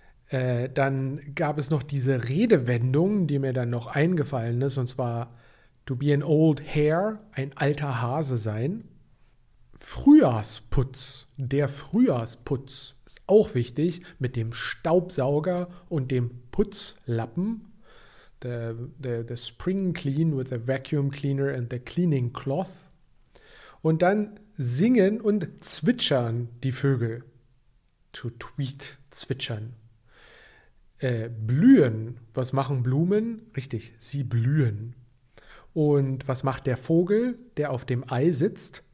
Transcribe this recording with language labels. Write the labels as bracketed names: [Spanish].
[German] Dann gab es noch diese Redewendung, die mir dann noch eingefallen ist, und zwar [English] to be an old hare, [German] ein alter Hase sein. Frühjahrsputz, der Frühjahrsputz, ist auch wichtig, mit dem Staubsauger und dem Putzlappen. [English] The spring clean with a vacuum cleaner and the cleaning cloth. [German] Und dann singen und zwitschern die Vögel. To tweet, zwitschern. Blühen. Was machen Blumen? Richtig, sie blühen. Und was macht der Vogel, der auf dem Ei sitzt?